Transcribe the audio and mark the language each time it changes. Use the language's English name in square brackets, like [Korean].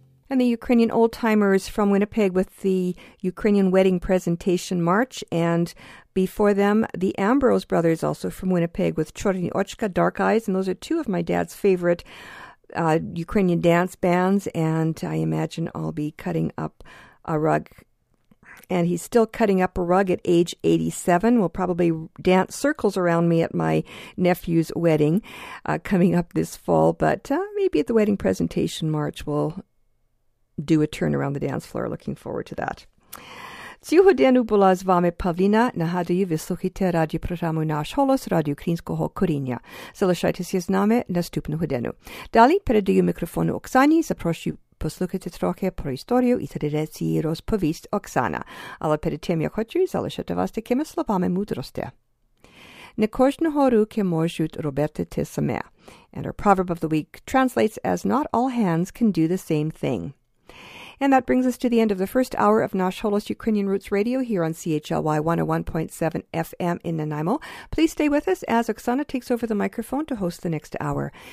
[English] of the Ukrainian old timers from Winnipeg with the Ukrainian Wedding Presentation March, and before them, the Ambrose brothers, also from Winnipeg, with Chorny Ochka, Dark Eyes, and those are two of my dad's favorite Ukrainian dance bands, and I imagine I'll be cutting up a rug. And he's still cutting up a rug at age 87. We'll probably dance circles around me at my nephew's wedding coming up this fall. But maybe at the wedding presentation march, we'll do a turn around the dance floor. Looking forward to that. [Ukrainian] Цього дня була з вами Павлина. Нагадую, ви слухаєте радіопрограму «Наш голос» радіо українського коріння. Залишайтеся з нами наступного дня. Далі передаю мікрофон Оксані. Запрошую послухайте трохи про історію і традиції розповість Оксана. Але перед тим, я хочу залишити вас такими словами мудрості. Не кожного руки можуть робити те саме. [English] And our proverb of the week translates as not all hands can do the same thing. And that brings us to the end of the first hour of Nash Holos Ukrainian Roots Radio here on CHLY 101.7 FM in Nanaimo. Please stay with us as Oksana takes over the microphone to host the next hour.